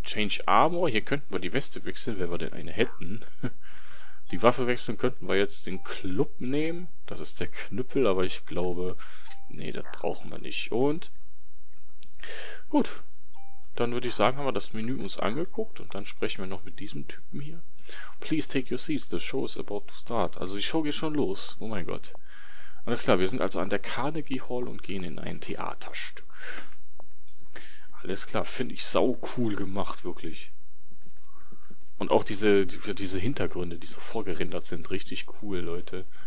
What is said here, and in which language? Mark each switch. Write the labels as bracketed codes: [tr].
[de] Change Armor, hier könnten wir die Weste wechseln, wenn wir denn eine hätten. Die Waffe wechseln könnten wir jetzt den Club nehmen. Das ist der Knüppel, aber ich glaube, nee, das brauchen wir nicht. Und gut, dann würde ich sagen, haben wir das Menü uns angeguckt und dann sprechen wir noch mit diesem Typen hier. [en] Please take your seats, the show is about to start. [de] Also die Show geht schon los, oh mein Gott. Alles klar, wir sind also an der Carnegie Hall und gehen in ein Theaterstück. Alles klar, finde ich sau cool gemacht, wirklich. Und auch diese Hintergründe, die so vorgerendert sind, richtig cool, Leute.